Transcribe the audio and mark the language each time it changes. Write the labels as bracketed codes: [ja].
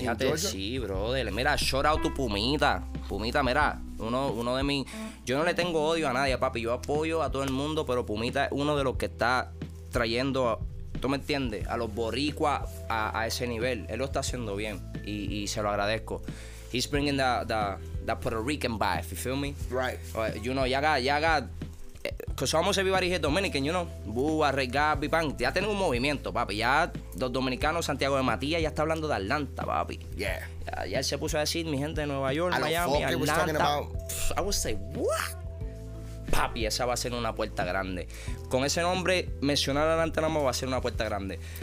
[es] Fíjate, sí, brother. Mira, shout out tu Pumita. Pumita, mira, uno de mis... Yo no le tengo odio a nadie, papi. Yo apoyo a todo el mundo, pero Pumita es uno de los que está trayendo, ¿tú me entiendes? A los boricuas a ese nivel. Él lo está haciendo bien y se lo agradezco. [en] He's bringing the Puerto Rican vibe, you feel me? Right. You know, ya got Because almost everybody here is Dominican, you know. [es] Bua, Rey Gabby, Pan. Ya tienen un movimiento, papi. Ya los dominicanos, Santiago de Matías, ya está hablando de Atlanta, papi. [en] Yeah. [es] Ya él se puso a decir, mi gente de Nueva York, Miami, Atlanta. Pff, [en] I would say, what? [es] Papi, esa va a ser una puerta grande. Con ese nombre, mencionar Atlanta nada más va a ser una puerta grande.